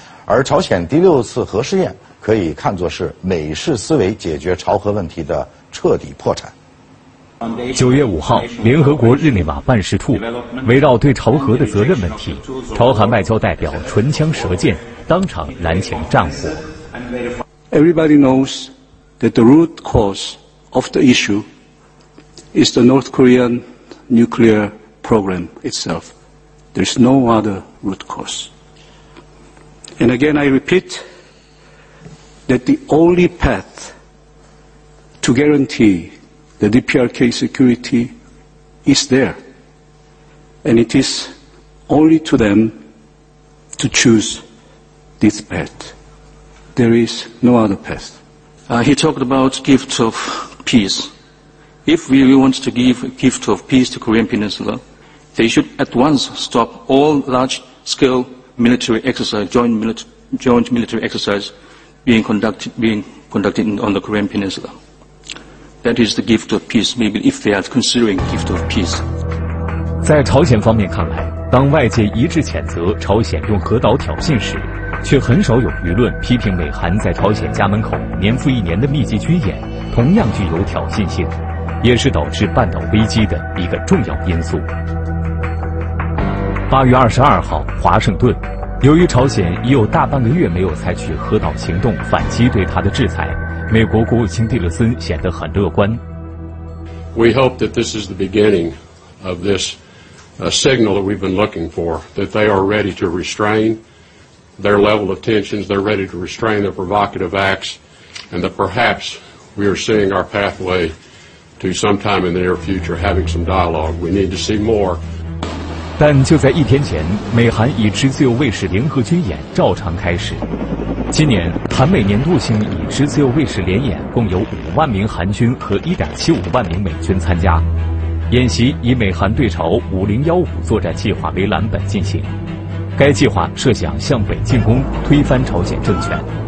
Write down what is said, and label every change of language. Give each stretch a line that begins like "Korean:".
Chinese: 而朝鲜第六次核试验可以看作是美式思维解决朝核问题的彻底破产。 9月5号，联合国日内瓦办事处围绕对朝核的责任问题，朝韩外交代表唇枪舌剑，当场燃起战火。
English: Everybody knows that the root cause of the issue is the North Korean nuclear program itself. There's no other root cause. And again, I repeat that the only path to guarantee the DPRK security is there. And it is only to them to choose this path. There is no other path. He talked about gifts of peace. If we really want to give a gift of peace to Korean Peninsula, they should at once stop all large-scale military exercise, joint military exercise being conducted on the Korean Peninsula. That is the gift of peace, maybe if they are considering gift of peace.
Chinese: 在朝鲜方面看来，当外界一致谴责朝鲜用核导挑衅时，却很少有舆论批评美韩在朝鲜家门口年复一年的密集军演同样具有挑衅性，也是导致半岛危机的一个重要因素。 8月22号，华盛顿，由于朝鲜已有大半个月没有采取核导行动反击对他的制裁，美国国务卿蒂勒森显得很乐观。
English: We hope that this is the beginning of this signal that we've been looking for, that they are ready to restrain their level of tensions, they're ready to restrain their provocative acts, and that perhaps We are seeing our pathway to sometime in the near future having some dialogue. We need to see more.
Chinese: 但就在一天前，美韩已知自由卫士联合军演照常开始。今年韩美年度性已知自由卫士联演共有50000名韩军和1.75万名美军参加。演习以美韩对朝5015作战计划为蓝本进行，该计划设想向北进攻，推翻朝鲜政权。